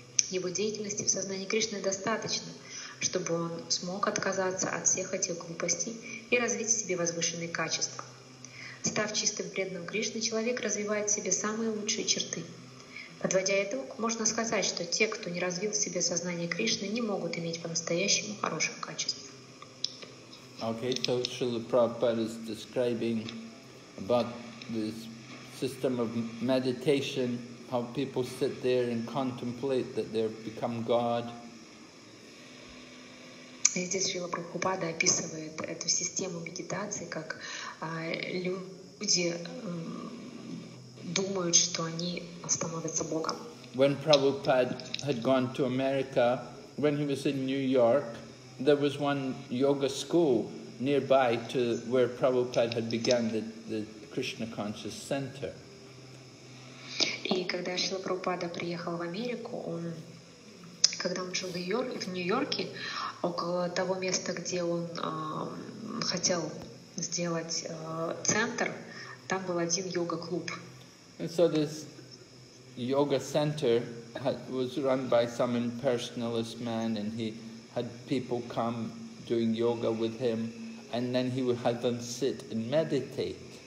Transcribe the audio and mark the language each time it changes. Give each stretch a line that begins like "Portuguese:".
Russian: Его деятельности в сознании Кришны достаточно, чтобы он смог отказаться от всех этих глупостей и развить в себе возвышенные качества. Став чистым преданным Кришны, человек развивает в себе самые лучшие черты. Подводя итог, можно сказать, что те, кто не развил в себе сознание Кришны, не могут иметь по-настоящему хороших качеств.
English: Okay, so Srila Prabhupada is describing about this system of meditation, how people sit there and contemplate that they've become God.
Russian: Здесь Шрила Прабхупада описывает эту систему медитации, как люди думают, что они становятся Богом.
English: When Prabhupada had gone to America, when he was in New York, there was one yoga school nearby to where Prabhupada had begun the Krishna Conscious Center.
Russian: И когда Шрила Прабхупада приехал в Америку, он, когда он жил в Нью-Йорке, около того места, где он хотел сделать центр, там был один йога-клуб.
English: And so this yoga center was run by some impersonalist man, and he had people come doing yoga with him, and then he would have them sit and meditate.